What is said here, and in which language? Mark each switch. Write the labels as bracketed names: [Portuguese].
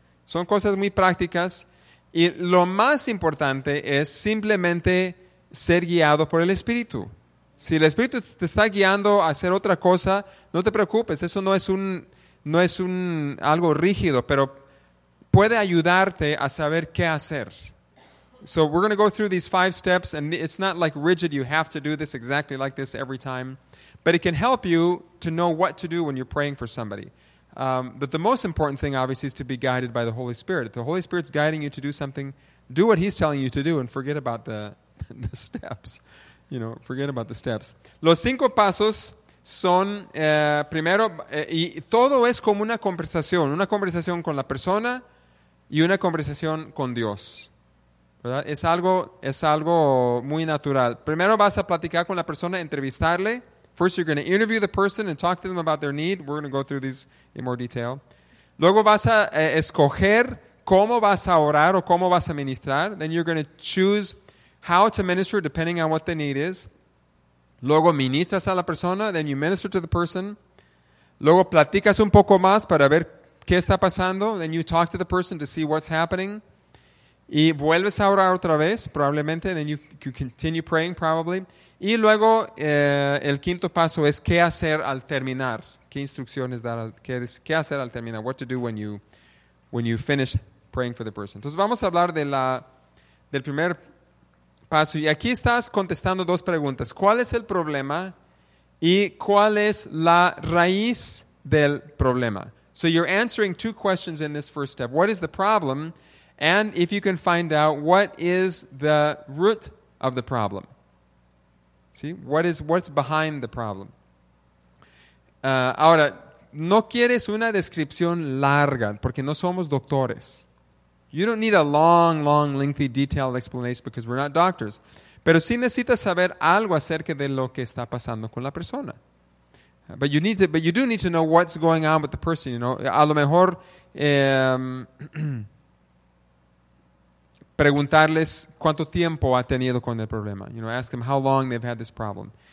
[Spanish] Son cosas muy prácticas y lo más importante es simplemente ser guiado por el Espíritu. Si el Espíritu te está guiando a hacer otra cosa, no te preocupes, eso no es algo rígido, pero puede ayudarte a saber qué hacer. [English] So we're going to go through these five steps, and it's not like rigid, you have to do this exactly like this every time, but it can help you to know what to do when you're praying for somebody. But the most important thing, obviously, is to be guided by the Holy Spirit. If the Holy Spirit's guiding you to do something, do what He's telling you to do and forget about the steps. You know, forget about the steps. [Spanish] Los cinco pasos son primero y todo es como una conversación con la persona y una conversación con Dios, ¿verdad? Es algo muy natural. Primero vas a platicar con la persona, entrevistarle. [English] First you're going to interview the person and talk to them about their need. We're going to go through these in more detail. [Spanish] Luego vas a escoger cómo vas a orar o cómo vas a ministrar. [English] Then you're going to choose how to minister depending on what the need is. [Spanish] Luego ministras a la persona. [English] Then you minister to the person. [Spanish] Luego platicas un poco más para ver qué está pasando. [English] Then you talk to the person to see what's happening. [Spanish] Y vuelves a orar otra vez, probablemente. [English] Then you continue praying, probably. [Spanish] Y luego el quinto paso es qué hacer al terminar. Qué instrucciones dar, qué hacer al terminar. [English] What to do when you finish praying for the person. [Spanish] Entonces vamos a hablar de del primer paso. Y aquí estás contestando dos preguntas. ¿Cuál es el problema? Y ¿cuál es la raíz del problema? [English] So you're answering two questions in this first step. What is the problem? And if you can find out, what is the root of the problem? See, what's behind the problem? [Spanish] Ahora, no quieres una descripción larga, porque no somos doctores. [English] You don't need a long, long, lengthy, detailed explanation because we're not doctors. [Spanish] Pero sí necesitas saber algo acerca de lo que está pasando con la persona. [English] But you do need to know what's going on with the person, you know. [Spanish] A lo mejor preguntarles cuánto tiempo ha tenido con el problema. [English] You know, ask them how long they've had this problem.